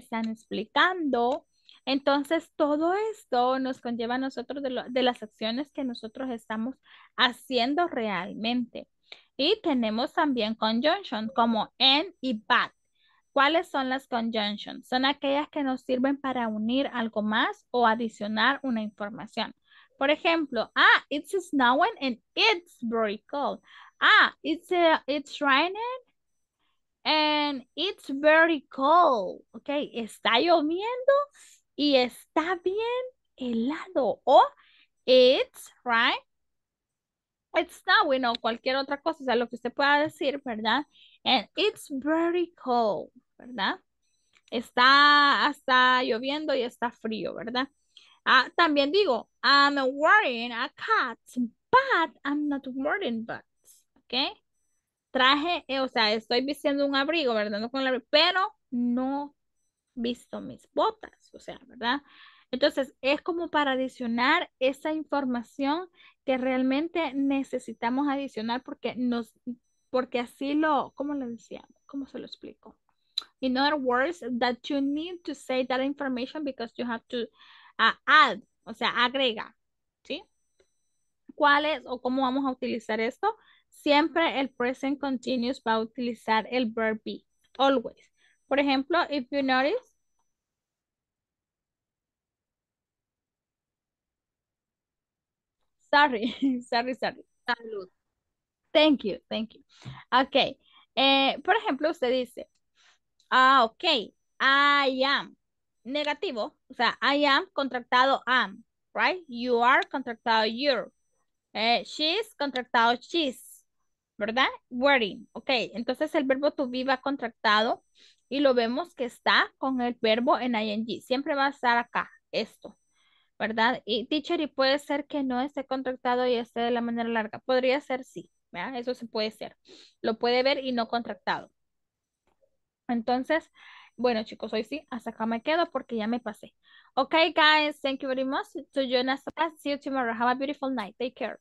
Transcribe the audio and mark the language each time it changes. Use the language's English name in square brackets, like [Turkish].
[Spanish] Están explicando. Entonces, todo esto nos conlleva a nosotros de las acciones que nosotros estamos haciendo realmente. Y tenemos también conjunctions como and y but. ¿Cuáles son las conjunctions? Son aquellas que nos sirven para unir algo más o adicionar una información. Por ejemplo, [English] it's snowing and it's very cold. It's raining and it's very cold. [Spanish] Okay, está lloviendo y está bien helado. O [English] it's right, it's snowing [Spanish] o cualquier otra cosa, o sea, lo que usted pueda decir, ¿verdad? [English] And it's very cold, [Spanish] ¿verdad? Está lloviendo y está frío, ¿verdad? [English] También digo, I'm wearing a coat, but I'm not wearing boots, ¿ok? [Spanish] Estoy vistiendo un abrigo, ¿verdad? No con el abrigo, pero no visto mis botas, o sea, ¿verdad? Entonces, es como para adicionar esa información que realmente necesitamos adicionar porque así lo, ¿cómo lo decía? ¿Cómo se lo explico? [English] In other words, that you need to say that information because you have to add, [Spanish] o sea, agrega, ¿sí? ¿Cuál es o cómo vamos a utilizar esto? Siempre el present continuous va a utilizar el verb be, always. Por ejemplo, [English] if you notice. [Spanish] Sorry. Salud. [English] Thank you. Okay. [Spanish] Por ejemplo, usted dice, [English] okay, I am. [Spanish] Negativo, o sea, [English] I am [Spanish] contractado am, right? [English] You are contractado you're. She's contractado she's, ¿verdad? Wearing, ok. [Spanish] Entonces el verbo to be va contractado y lo vemos que está con el verbo en ing. Siempre va a estar acá, esto, ¿verdad? Y teacher, y puede ser que no esté contractado y esté de la manera larga. Podría ser sí, ¿verdad? Eso se puede ser. Lo puede ver y no contractado. Entonces, bueno, chicos, hoy sí, hasta acá me quedo porque ya me pasé. [English] Okay, guys, thank you very much to join us. See you tomorrow. Have a beautiful night. Take care.